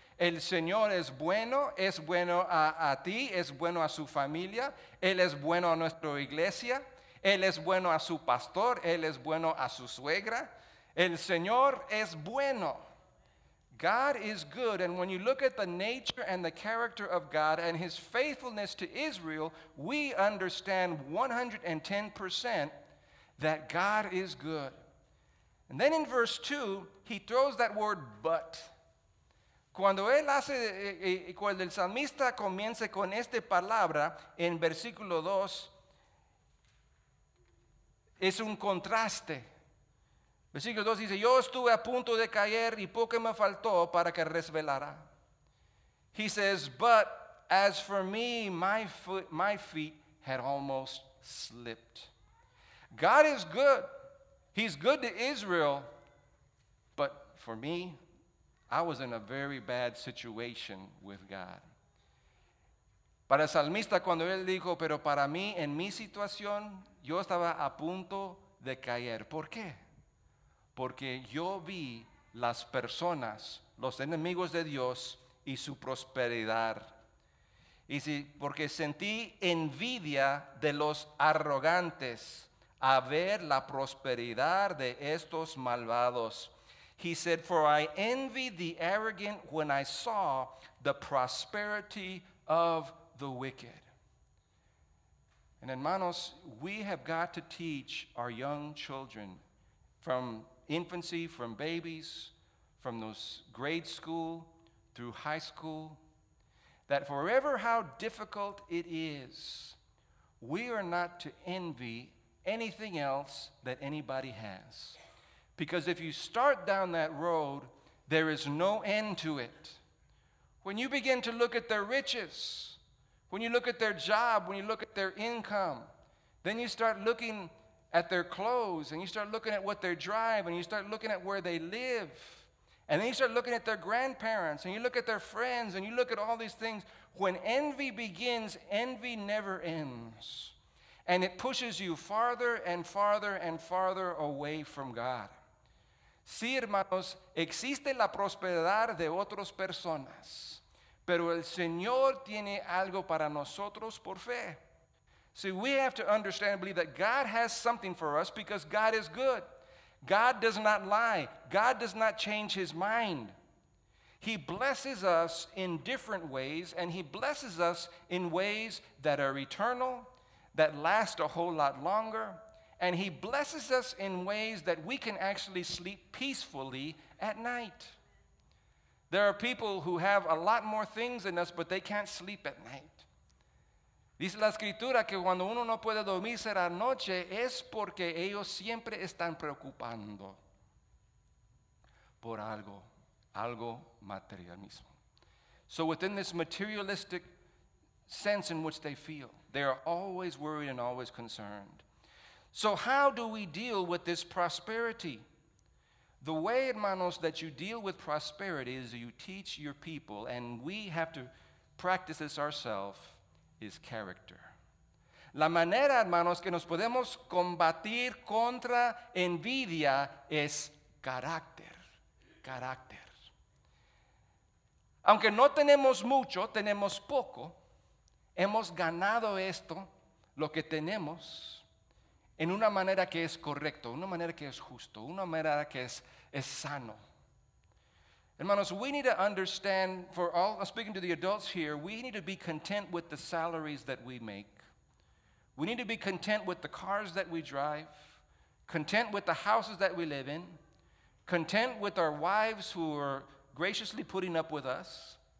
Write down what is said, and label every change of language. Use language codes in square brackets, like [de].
[es] El Señor es bueno a ti, es bueno a su familia, Él es bueno a nuestra iglesia, Él es bueno a su pastor, Él es bueno a su suegra. El Señor es bueno. [en] God is good, and when you look at the nature and the character of God and his faithfulness to Israel, we understand 110% that God is good. And then in verse 2, he throws that word but. [es] Cuando él hace, cuando el salmista comienza con esta palabra en versículo 2, es un contraste. Versículo 2 dice, yo estuve a punto de caer y poco me faltó para que resbalara. [en] He says, but as for me, my feet had almost slipped. God is good. He's good to Israel, but for me, I was in a very bad situation with God. [es] Para el salmista, cuando él dijo, pero para mí, en mi situación, yo estaba a punto de caer. ¿Por qué? Porque yo vi las personas, los enemigos de Dios y su prosperidad. Y si, porque sentí envidia de los arrogantes a ver la prosperidad de estos malvados. [en] He said, for I envied the arrogant when I saw the prosperity of the wicked. And hermanos, we have got to teach our young children from infancy, from babies, from those grade school through high school, that forever how difficult it is, we are not to envy anything else that anybody has. Because if you start down that road, there is no end to it. When you begin to look at their riches, when you look at their job, when you look at their income, then you start looking at their clothes, and you start looking at what they drive, and you start looking at where they live, and then you start looking at their grandparents, and you look at their friends, and you look at all these things. When envy begins, envy never ends. And it pushes you farther and farther and farther away from God. [es] Sí, hermanos, existe la prosperidad de otras personas, pero el Señor tiene algo para nosotros por fe. [en] See, we have to understand and believe that God has something for us because God is good. God does not lie. God does not change his mind. He blesses us in different ways, and he blesses us in ways that are eternal, that last a whole lot longer. And he blesses us in ways that we can actually sleep peacefully at night. There are people who have a lot more things than us, but they can't sleep at night. [es] Dice la escritura que cuando uno no puede dormirse a la noche es porque ellos siempre están preocupando por algo, algo material mismo. [en] So within this materialistic sense in which they feel, they are always worried and always concerned. So how do we deal with this prosperity? The way, hermanos, that you deal with prosperity is you teach your people, and we have to practice this ourselves, is character. [es] La manera, hermanos, que nos podemos combatir contra envidia es carácter. Carácter. Aunque no tenemos mucho, tenemos poco. Hemos ganado esto, lo que tenemos, en una manera que es correcto, una manera que es justo, una manera que es sano. [en] Hermanos, we need to understand, for all, speaking to the adults here, we need to be content with the salaries that we make. We need to be content with the cars that we drive, content with the houses that we live in, content with our wives who are graciously putting up with us.